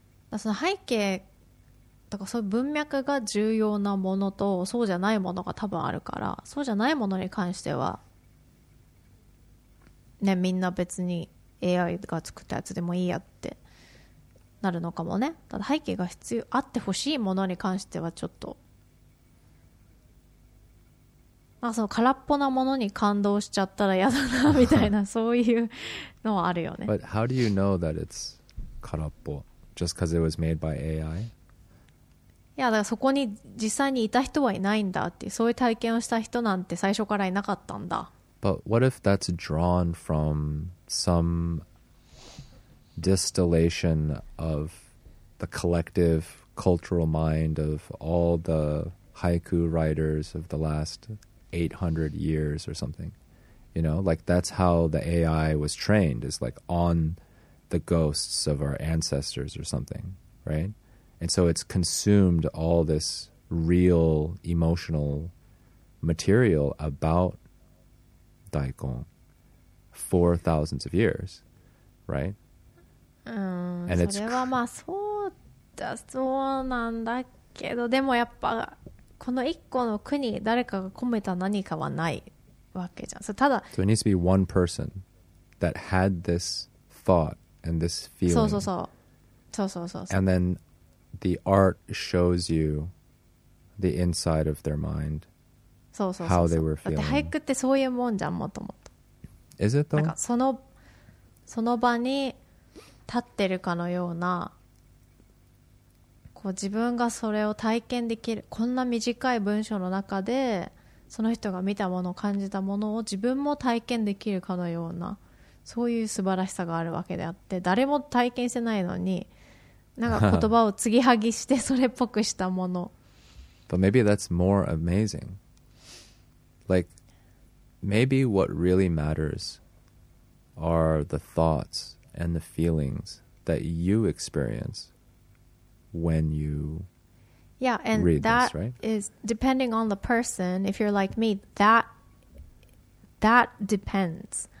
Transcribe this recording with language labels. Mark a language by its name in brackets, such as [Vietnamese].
[Japanese] だその背景とか、そういう文脈が重要なものとそうじゃないものが多分あるから、そうじゃないものに関してはね、みんな別に AI が作ったやつでもいいやってなるのかもね。ただ背景が必要あってほしいものに関してはちょっと、まあその空っぽなものに感動しちゃったら嫌だなみたいなそういうのはあるよね。 [English] But how do you know that it's 空っぽ just because it was made by AI? [Japanese] いや、だからそこに実際にいた人はいないんだって、そういう体験をした人なんて最初からいなかったんだ。 [English] But what if that's drawn from some distillation of the collective cultural mind of all the haiku writers of the last 800 years or something? You know, like that's how the AI was trained, is like on the ghosts of our ancestors or something, right? And so it's consumed all this real emotional material about daikon for thousands of years, right? And it's [Japanese] それはまあそうだ、そうなんだけど、でもやっぱこの一個の句に誰かが込めた何かはないわけじゃん。 [English] So it needs to be one person that had this thought and this feeling. [Japanese] そうそうそう。そうそうそう。 [English] And then the art shows you the inside of their mind. [Japanese] そうそうそう。 [English] How they were feeling. [Japanese] だって俳句ってそういうもんじゃん、もともと。 [English] Is it though? [Japanese] なんかその場に立ってるかのような、こう自分がそれを体験できる、こんな短い文章の中でその人が見たもの、感じたものを自分も体験できるかのような、そういう素晴らしさがあるわけであって、誰も体験してないのに、なんか言葉を継ぎはぎしてそれっぽくしたもの。 [English] But maybe that's more amazing. Like, maybe what really matters are the thoughts and the feelings that you experience. When you yeah, and read that this, right? is depending on the person. If you're like me, that depends.